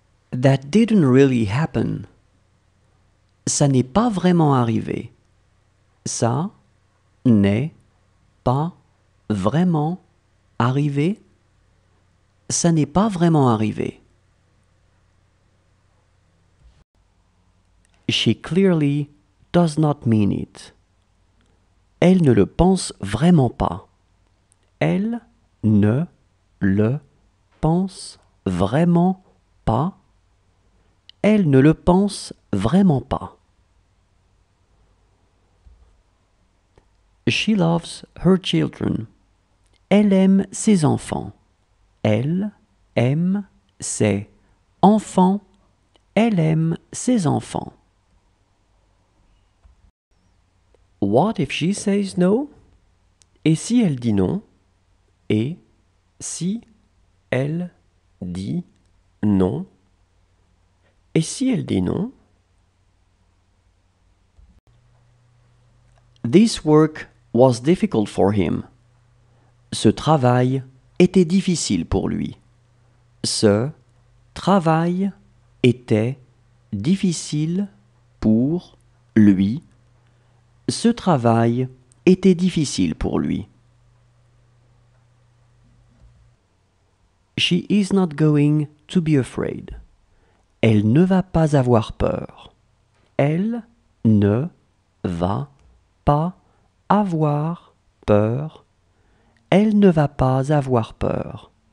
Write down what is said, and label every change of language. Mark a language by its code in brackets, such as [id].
[en] That didn't really happen. [fr] Ça n'est pas vraiment arrivé. Ça n'est pas vraiment arrivé. Ça n'est pas vraiment arrivé. [en] She clearly does not mean it. [fr] Elle ne le pense vraiment pas. Elle ne le pense vraiment pas. Elle ne le pense vraiment pas. [en] She loves her children. [fr] Elle aime ses enfants. Elle aime ses enfants. Elle aime ses enfants. [en] What if she says no? [fr] Et si elle dit non? Et si elle dit non? Et si elle dit non? [en] This work was difficult for him. [fr] Ce travail était difficile pour lui. Ce travail était difficile pour lui. Ce travail était difficile pour lui. [en] She is not going to be afraid. [fr] Elle ne va pas avoir peur. Elle ne va pas avoir peur. Elle ne va pas avoir peur.